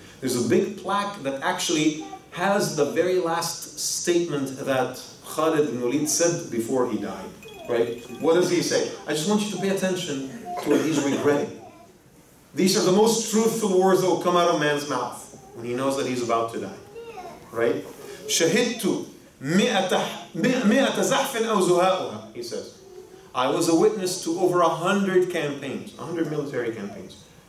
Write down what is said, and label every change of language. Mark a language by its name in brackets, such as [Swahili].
[English] There's a big plaque that actually has the very last statement that Khalid Murid said before he died, right? What does he say? I just want you to pay attention to what he's regretting. These are the most truthful words that will come out of man's mouth when he knows that he's about to die. Right? [Arabic] شَهِدْتُ مِئَةَ زَحْفٍ أَوْ زُهَاءُهَا, [English] he says. I was a witness to over 100 military campaigns.